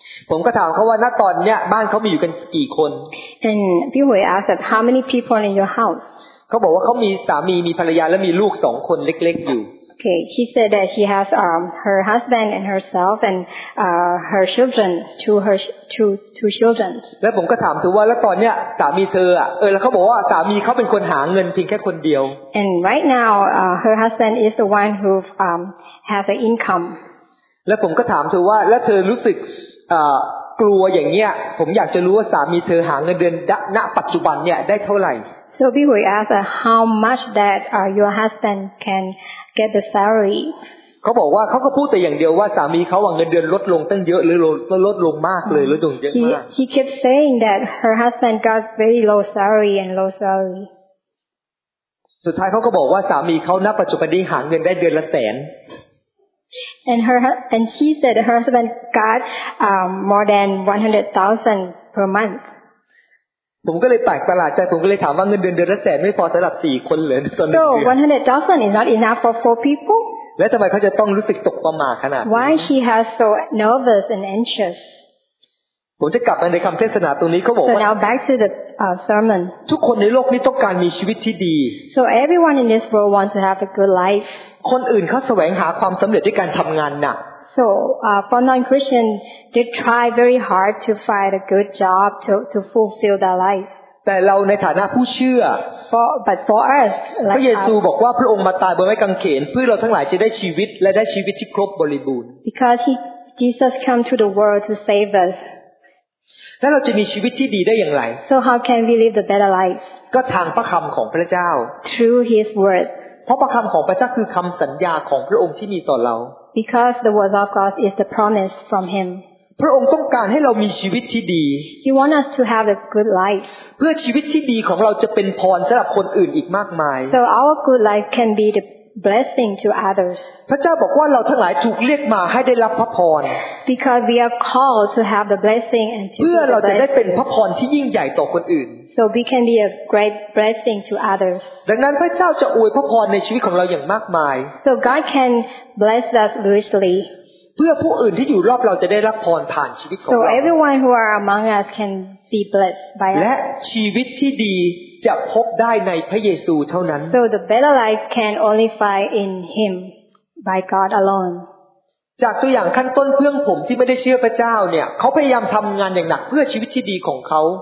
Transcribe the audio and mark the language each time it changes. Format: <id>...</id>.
<th>ผมก็ถามเขาว่าณตอนเนี้ยบ้านเขามีอยู่กันกี่คน</th> <en>And พี่หวย asked how many people in your house</en> <th>เขาบอกว่าเขามีสามีมีภรรยาและมีลูก2คนเล็กๆอยู่</th> <en>Okay she said that she has her husband and herself and her children two children</en> <th>แล้วผมก็ถามเธอว่าแล้วตอนเนี้ยสามีเธอแล้วเขาบอกว่าสามีเขาเป็นคนหาเงินเพียงแค่คนเดียว</th> <en>And right now her husband is the one who has an income</en> <th>แล้วผมก็ถามเธอว่าแล้วเธอรู้สึกกลัวอย่างเงี้ยผมอยากจะรู้ว่าสามีเธอหาเงินเดือนณปัจจุบันเนี่ยได้เท่าไหร่</th> <en>So we will ask how much that your husband can get the salary</en> <th>เขาบอกว่าเขาก็พูดแต่อย่างเดียวว่าสามีเขาว่าเงินเดือนลดลงตั้งเยอะหรือลดลงมากเลยลดลงเยอะมาก</th> <en>He kept saying that her husband got very low salary and low salary</en> <th>สุดท้ายเขาก็บอกว่าสามีเขาณปัจจุบันนี้หาเงินได้เดือนละแสน</th> <en>And she said her husband got more than 100,000 per month.</en> <th>ผมก็เลยแปลกประหลาดใจผมก็เลยถามว่าเงินเดือนเดือนละแสนไม่พอสำหรับ4คนเหรอตอนนี้</th> <en>So 100,000 is not enough for 4 people.</en> <th>แล้วทำไมเขาจะต้องรู้สึกตกประหม่าขนาดนี้</th> <en>Why she has so nervous and anxious?</en> <th>ผมจะกลับมาในคำเทศนาตรงนี้เขาบอกว่า</th> <en>So now back to the sermon.</en> <th>ทุกคนในโลกนี้ต้องการมีชีวิตที่ดี</th> <en>So everyone in this world wants to have a good life.</en> <th>คนอื่นเขาแสวงหาความสำเร็จด้วยการทำงานหนัก</th> <en>So for non-Christian they try very hard to find a good job to fulfill their life</en> <th>แต่เราในฐานะผู้เชื่อ</th> <en>But for us</en> <th>พระเยซูบอกว่าพระองค์มาตายบนไม้กางเขนเพื่อเราทั้งหลายจะได้ชีวิตและได้ชีวิตที่ครบบริบูรณ์</th> <en>Because Jesus came to the world to save us</en> <th>แล้วเราจะมีชีวิตที่ดีได้อย่างไร</th> <en>So how can we live the better life</en> <th>ก็ทางพระคำของพระเจ้า</th> <en>Through His word</en> <th>เพราะพระคำของพระเจ้าคือคำสัญญาของพระองค์ที่มีต่อเรา</th> <en>Because the word of God is the promise from Him.</en> <th>พระองค์ต้องการให้เรามีชีวิตที่ดี</th> <en>He wants us to have a good life.</en> <th>เพื่อชีวิตที่ดีของเราจะเป็นพรสำหรับคนอื่นอีกมากมาย</th> <en>So our good life can be the blessing to others.</en> <th>พระเจ้าบอกว่าเราทั้งหลายถูกเรียกมาให้ได้รับพระพร</th> <en>Because we are called to have the blessing and to</en> <th>เพื่อเราจะได้เป็นพระพรที่ยิ่งใหญ่ต่อคนอื่น</th> <en>So we can be a great blessing to others.</en> <th>ดังนั้นพระเจ้าจะอวยพระพรในชีวิตของเราอย่างมากมาย</th> <en>So God can bless us richly.</en> <th>เพื่อผู้อื่นที่อยู่รอบเราจะได้รับพรผ่านชีวิตของเรา</th> <en>So everyone who are among us can be blessed by us.</en> <th>และชีวิตที่ดีจะพบได้ในพระเยซูเท่านั้น</th> <en>So the better life can only find in Him by God alone.</en> <th>จากตัวอย่างขั้นต้นเพื่อนผมที่ไม่ได้เชื่อพระเจ้าเนี่ยเขาพยายามทำงานอย่างหนักเพื่อชีวิตที่ดีของเขา</th>